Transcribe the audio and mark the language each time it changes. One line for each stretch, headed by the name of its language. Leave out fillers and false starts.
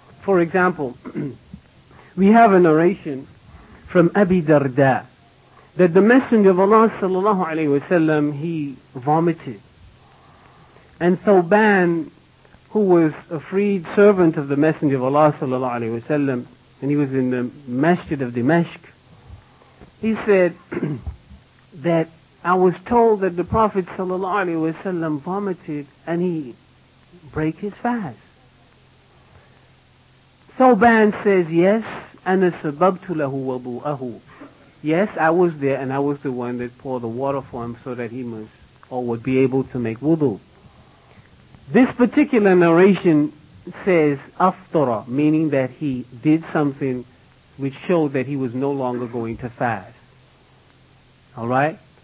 English: For example, we have a narration from Abi Darda that the Messenger of Allah sallallahu alaihi wasallam, he vomited, and Thawban, who was a freed servant of the Messenger of Allah sallallahu alaihi wasallam, and he was in the Masjid of Dimashq, he said that I was told that the Prophet sallallahu alaihi wasallam vomited and he break his fast. Thawban says, yes,
Arabic: أَنَا سَبَبْتُ لَهُ وَضُوءَهُ.
English: Yes, I was there and I was the one that poured the water for him so that he must or would be able to make wudu. This particular narration says أَفْطَرَ, meaning that he did something which showed that he was no longer going to fast. Alright?